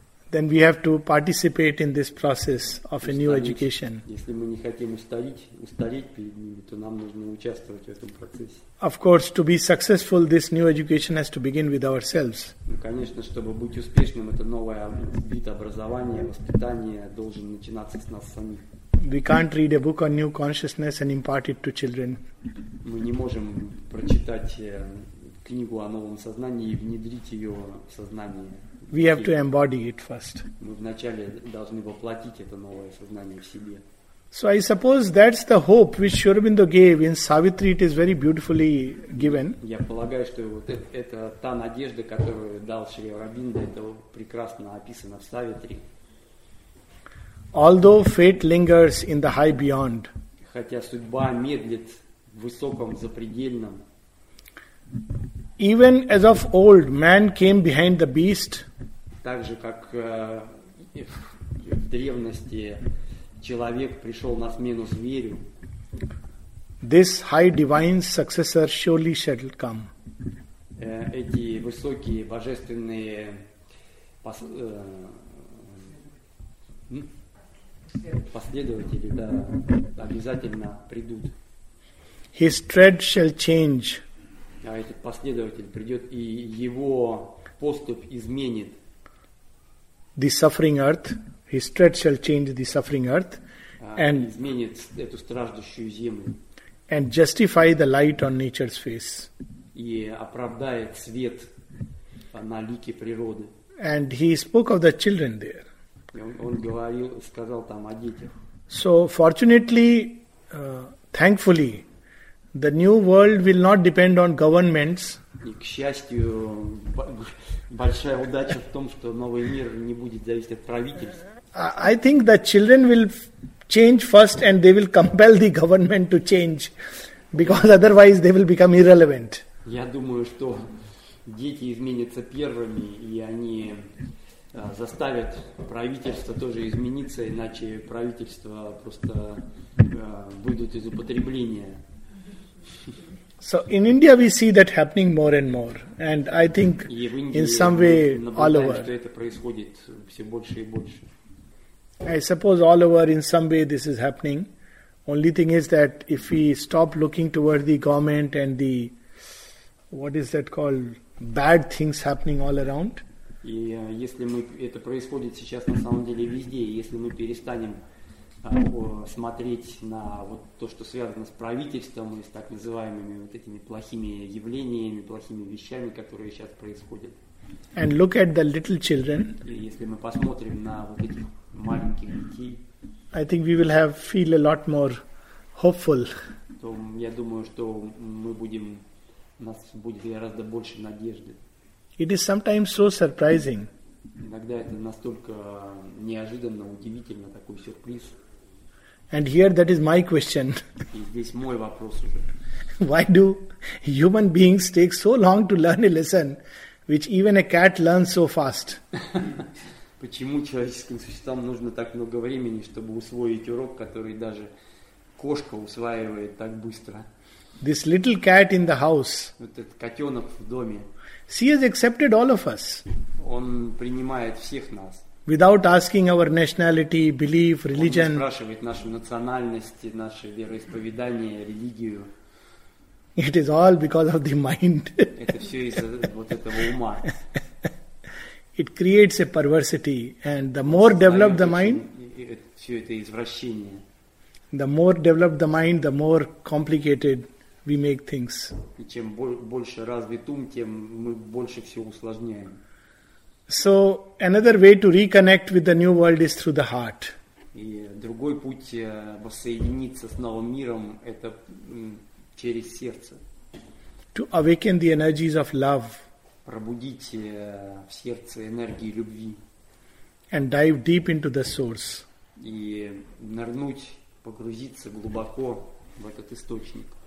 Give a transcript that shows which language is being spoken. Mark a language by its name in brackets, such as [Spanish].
[English] Then we have to participate in this process of a new education. [Russian] Если мы не хотим устареть перед ними, то нам нужно участвовать в этом процессе. [English] Of course, to be successful, this new education has to begin with ourselves. [Russian] Ну, конечно, чтобы быть успешным, это новое вид образования, воспитания должен начинаться с нас самих. [English] We can't read a book on new consciousness and impart it to children. [Russian] Мы не можем прочитать книгу о новом сознании и внедрить ее в сознание. [English] We have to embody it first. [Russian] Мы вначале должны воплотить это новое сознание в себе. [English] So I suppose that's the hope which Sri Aurobindo gave in Savitri. It is very beautifully given. [Russian] Я полагаю, что вот это та надежда, которую дал Шри Аурабинда, это прекрасно описано в Савитри. [English] Although fate lingers in the high beyond. [Russian] Хотя судьба медлит в высоком запредельном. [English] Even as of old, man came behind the beast. [Russian] Так же, как в древности человек пришел на смену зверю. [English] This high divine successor surely shall come. [Russian] Эти высокие божественные последователи, да, обязательно придут. [English] His tread shall change. [Russian] А этот последователь придет, и его поступь изменит. [English] The suffering earth, his tread shall change the suffering earth, and [Russian] изменит эту страждущую землю. [English] And justify the light on nature's face. [Russian] И оправдает свет на лике природы. [English] And he spoke of the children there. [Russian] Он говорил, сказал там о детях. [English] So fortunately, thankfully, the new world will not depend on governments. [Russian] И, к счастью, большая удача в том, что новый мир не будет зависеть от правительств. [English] I think the children will change first, and they will compel the government to change, because otherwise they will become irrelevant. [Russian] Я думаю, что дети изменятся первыми, и они заставят правительство тоже измениться, иначе правительство просто выйдет из употребления. [English] So in India we see that happening more and more, and I think in some way all over. [Russian] Что это происходит все больше и больше. [English] I suppose all over in some way this is happening. Only thing is that if we stop looking towards the government and the what is that called? Bad things happening all around. [Russian] И если мы это происходит сейчас на самом деле везде, если мы перестанем смотреть на вот то, что связано с правительством и с так называемыми вот этими плохими явлениями, плохими вещами, которые сейчас происходят. [English] And look at the little children. [Russian] И если мы посмотрим на вот этих маленьких детей, [English] I think we will have feel a lot more hopeful. [Russian] То я думаю, что мы будем у нас будет гораздо больше надежды. [English] It is sometimes so surprising. [Russian] Иногда это настолько неожиданно, удивительно, такой сюрприз. [English] And here that is my question. [Russian] И здесь мой вопрос уже. [English] Why do human beings take so long to learn a lesson, which even a cat learns so fast? [Russian] Почему человеческим существам нужно так много времени, чтобы усвоить урок, который даже кошка усваивает так быстро? [English] This little cat in the house. [Russian] Вот этот котенок в доме. [English] She has accepted all of us. [Russian] Он принимает всех нас. [English] Without asking our nationality, belief, religion. [Russian] Он не спрашивает нашу национальность, наше вероисповедание, религию. [English] It is all because of the mind. [Russian] Это все из-за вот этого ума. [English] It creates a perversity, and the more developed the mind. [Russian] Все это извращение. [English] The more developed the mind, the more complicated we make things. [Russian] И чем больше развит ум, тем мы больше всего усложняем. [English] So another way to reconnect with the new world is through the heart. [Russian] И другой путь воссоединиться с новым миром – это через сердце. [English] To awaken the energies of love. [Russian] Пробудить в сердце энергии любви. [English] And dive deep into the source. [Russian] И нырнуть, погрузиться глубоко в этот источник.